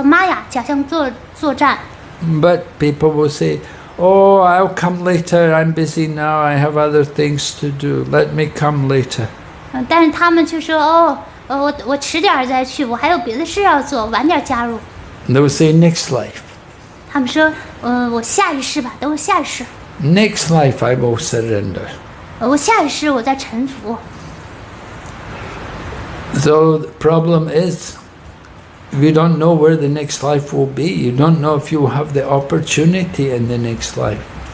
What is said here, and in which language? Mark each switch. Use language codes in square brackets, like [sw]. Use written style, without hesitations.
[zh] 当然我们在教育人们,加入我们吧,跟我们一起和Maya假象作战。 [en] But people will say, oh, I'll come later, I'm busy now, I have other things to do, let me come later. [zh] 但是他们就说,我迟点再去,我还有别的事要做,晚点加入。 [en] They will say, next life. [zh] 他们说,我下一世吧,等我下一世。 [en] Next life, I will surrender. [zh] 我下一世我再臣服。 [en] So the problem is, we don't know where the next life will be. You don't know if you have the opportunity in the next life.